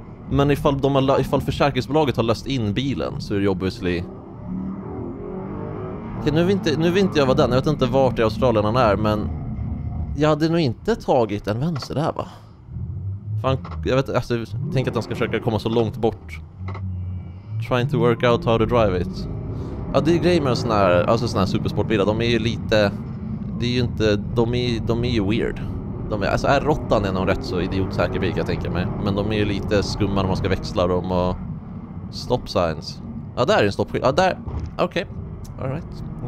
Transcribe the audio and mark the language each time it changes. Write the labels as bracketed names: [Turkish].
[Swedish] Men ifall försäkringsbolaget har löst in bilen så är det obviously... Okej, nu vill inte jag vara den. Jag vet inte vart i Australien han är, men... Jag hade nog inte tagit en vänster där, va? Fan, jag vet inte. Alltså, jag tänker att han ska försöka komma så långt bort. [English] Trying to work out how to drive it. [Swedish] Ja, det är grejer med sådana här supersportbilar. De är ju lite... Det är ju inte... De är ju weird. Alltså R8 är nog rätt så idiotsäker bil, jag tänker mig. Men de är ju lite skumma när man ska växla dem och... [English] Stop signs. [Swedish] Ja, där är en stoppskylt. Ja, där. Okej. [English] Okay. All right. [Swedish] Okej.